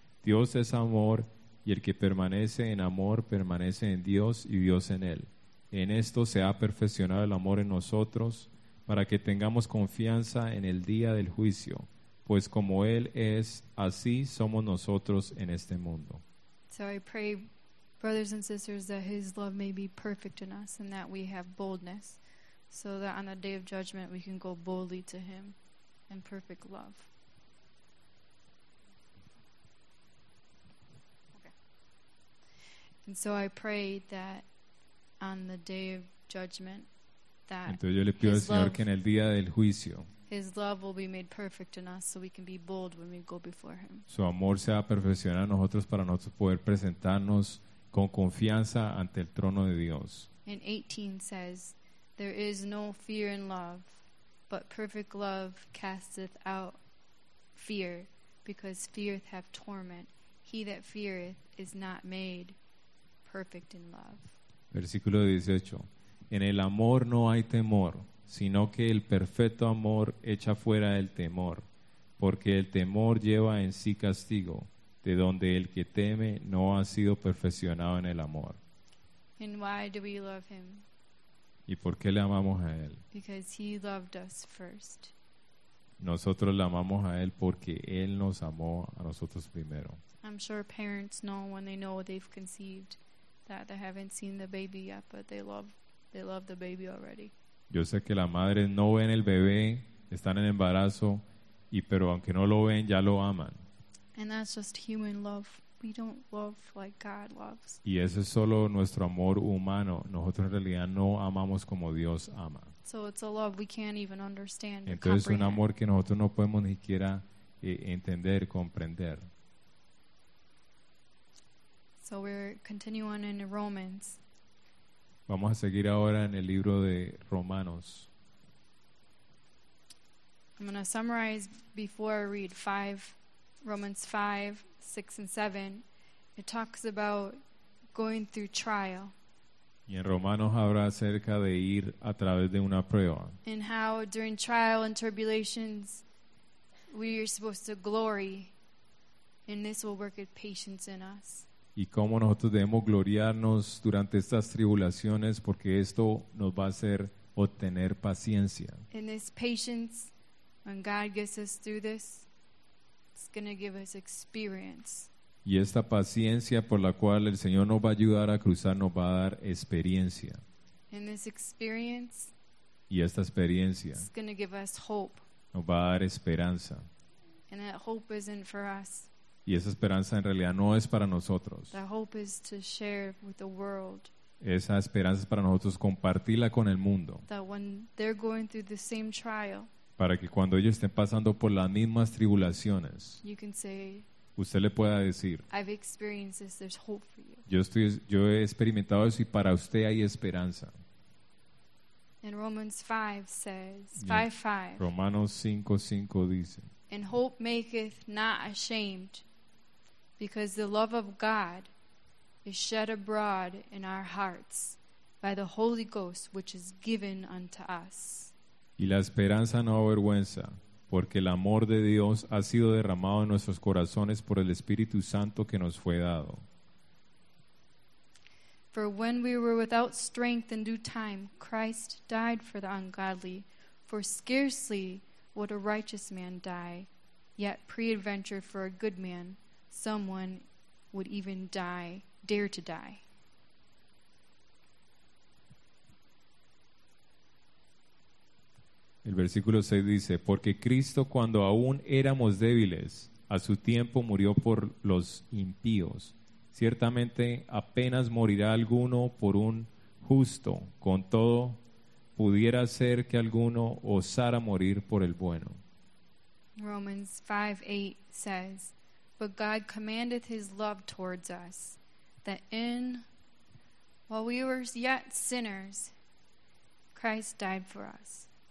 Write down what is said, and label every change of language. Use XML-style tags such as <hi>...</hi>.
<es>Dios es amor, y el que permanece en amor permanece en Dios y Dios en él. En esto se ha perfeccionado el amor en nosotros, para que tengamos confianza en el día del juicio. Pues como Él es, así somos nosotros en este mundo.</es> <en>So I pray, brothers and sisters, that His love may be perfect in us and that we have boldness, so that on the day of judgment we can go boldly to Him in perfect love. Okay. And so I pray that on the day of judgment that</en> <es>entonces yo le pido al Señor que en el día del juicio</es> <en>His love will be made perfect in us so we can be bold when we go before him.</en> <es>Su amor sea perfeccionado en nosotros para nosotros poder presentarnos con confianza ante el trono de Dios.</es> <en>And 18 says, there is no fear in love, but perfect love casteth out fear, because fear hath torment. He that feareth is not made perfect in love.</en> <es>Versículo 18. En el amor no hay temor, sino que el perfecto amor echa fuera el temor, porque el temor lleva en sí castigo, de donde el que teme no ha sido perfeccionado en el amor.</es> <en>And why do we love him?</en> <es>¿Y por qué le amamos a él?</es> <en>Because he loved us first.</en> <es>Nosotros le amamos a él porque él nos amó a nosotros primero.</es> <en>I'm sure parents know when they know they've conceived that they haven't seen the baby yet, but they love the baby already.</en> <es>Yo sé que las madres no ven el bebé, están en embarazo, pero aunque no lo ven, ya lo aman.</es> <en>And that's just human love. We don't love like God loves.</en> <es>Y ese es solo nuestro amor humano. Nosotros en realidad no amamos como Dios ama.</es> <en>So it's a love we can't even understand.</en> <es>Entonces es un amor que nosotros no podemos ni siquiera entender, comprender.</es> <en>So we're continuing in Romans.</en> <es>Vamos a seguir ahora en el libro de Romanos.</es> <en>I'm going to summarize before I read Romans 5, 6, and 7. It talks about going through trial.</en> <es>Y en Romanos habla acerca de ir a través de una prueba.</es> <en>And how during trial and tribulations, we are supposed to glory. And this will work its patience in us.</en> <es>Y cómo nosotros debemos gloriarnos durante estas tribulaciones, porque esto nos va a hacer obtener paciencia.</es> <en>And this patience, when God gets us through this, it's going to give us experience.</en> <es>Y esta paciencia por la cual el Señor nos va a ayudar a cruzar nos va a dar experiencia.</es> <en>And this experience,</en> <es>y esta experiencia,</es> <en>it's going to give us hope.</en> <es>Nos va a dar esperanza.</es> <en>And that hope isn't for us.</en> <es>Y esa esperanza en realidad no es para nosotros.</es> <en>The hope is to share with the world.</en> <es>Esa esperanza es para nosotros compartirla con el mundo.</es> <en>That when they're going through the same trial,</en> <es>para que cuando ellos estén pasando por las mismas tribulaciones,</es> <en>you can say,</en> <es>usted le pueda decir,</es> <en>I've experienced this, there's hope for you.</en> <es>Yo he experimentado eso y para usted hay esperanza.</es> <en>And Romans 5 says, 5:5.</en> <es>Romanos 5:5 dice,</es> <en>and hope maketh not ashamed, because the love of God is shed abroad in our hearts by the Holy Ghost which is given unto us.</en> <es>Y la esperanza no avergüenza, porque el amor de Dios ha sido derramado en nuestros corazones por el Espíritu Santo que nos fue dado.</es> <en>For when we were without strength in due time, Christ died for the ungodly. For scarcely would a righteous man die, yet peradventure for a good man, someone would even dare to die.</en> <es>El versículo 6 dice, porque Cristo, cuando aún éramos débiles, a su tiempo murió por los impíos. Ciertamente apenas morirá alguno por un justo, con todo, pudiera ser que alguno osara morir por el bueno.</es> <en>Romans 5:8 says, but God commandeth his love towards us, that in, while we were yet sinners, Christ died for us.</en>